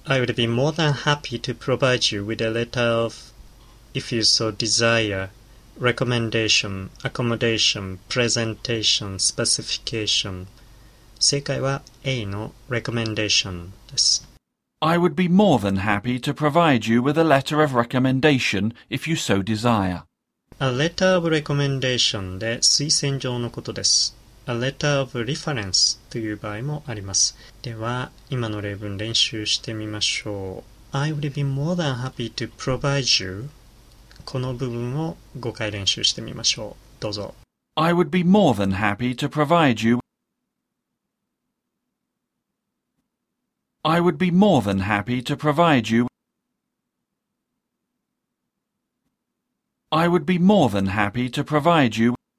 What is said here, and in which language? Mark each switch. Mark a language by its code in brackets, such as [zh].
[en] I would be more than happy to provide you with a letter of, if you so desire, recommendation, accommodation, presentation, specification. [ja] 正解は A の recommendation です。 [en] I would be more than happy to provide you with a letter of recommendation if you so desire. [ja] A letter of recommendation で推薦状のことです。 A letter of reference という場合もあります。では、今の例文練習してみましょう。 [en] I would be more than happy to provide you. [ja] この部分を5回練習してみましょう。どうぞ。 [en] I would be more than happy to provide you. I would be more than happy to provide you. I would be more than happy to provide you.